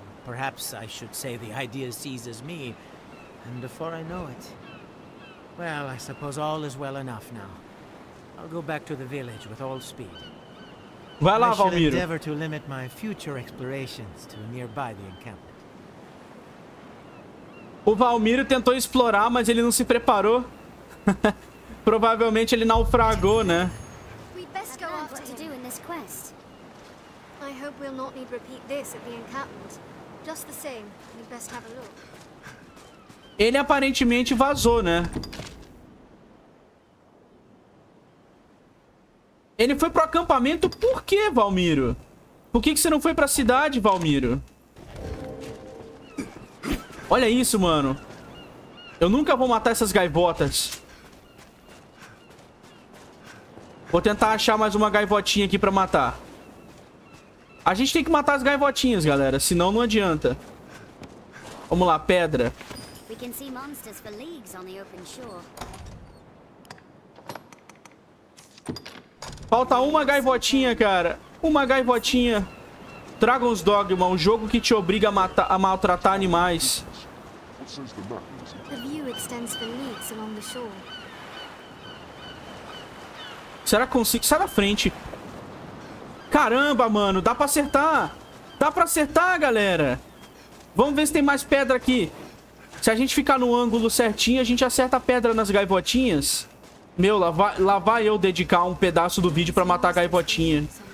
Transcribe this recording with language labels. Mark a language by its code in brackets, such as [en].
[en] Perhaps I should say the idea seizes me. And before I know it... Well, I suppose all is well enough now. I'll go back to the village with all speed. [pt] Vai lá, Valmiro. [en] I should endeavor to limit my future explorations to nearby the encampment. [pt] O Valmiro tentou explorar, mas ele não se preparou. Provavelmente ele naufragou, né? [en] We best go off to do in this quest. I hope we'll not need repeat this at the encampment. Just the same, we best have a look. [pt] Ele aparentemente vazou, né? Ele foi pro acampamento? Por que, Valmiro? Por que que você não foi pra cidade, Valmiro? Olha isso, mano. Eu nunca vou matar essas gaivotas. Vou tentar achar mais uma gaivotinha aqui pra matar. A gente tem que matar as gaivotinhas, galera. Senão não adianta. Vamos lá, pedra. [en] We can see monsters for leagues on the open shore. [pt] Falta uma gaivotinha, cara. Uma gaivotinha. Dragon's Dogma, um jogo que te obriga a matar, a maltratar animais. [en] The view extends for leagues along the shore. [pt] Será que consigo? Sai da frente. Caramba, mano, dá pra acertar. Dá pra acertar, galera. Vamos ver se tem mais pedra aqui. Se a gente ficar no ângulo certinho, a gente acerta a pedra nas gaivotinhas. Meu, lá vai eu dedicar um pedaço do vídeo pra matar a gaivotinha.